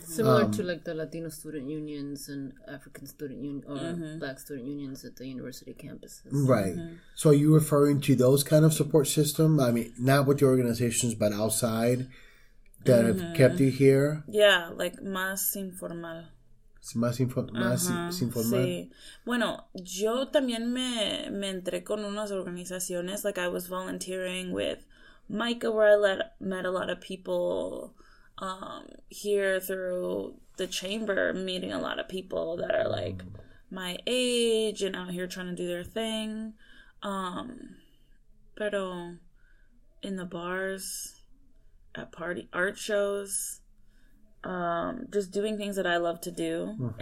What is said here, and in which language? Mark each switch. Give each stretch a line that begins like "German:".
English: Similar to like the Latino student unions and African student unions or mm-hmm. Black student unions at the university campuses. Right. Mm-hmm. So are you referring to those kind of support system? I mean, not with your organizations, but outside that mm-hmm. have kept you here? Yeah, like
Spanish: más informal. Más informal. Sí. Bueno, yo también me entré con unas organizaciones.
English: Like I was volunteering with MICA where I met a lot of people. Here through the chamber, meeting a lot of people that are like my age and out here trying to do their thing.
Spanish: Pero
English: in the bars, at party art shows, just doing things that I love to do mm-hmm.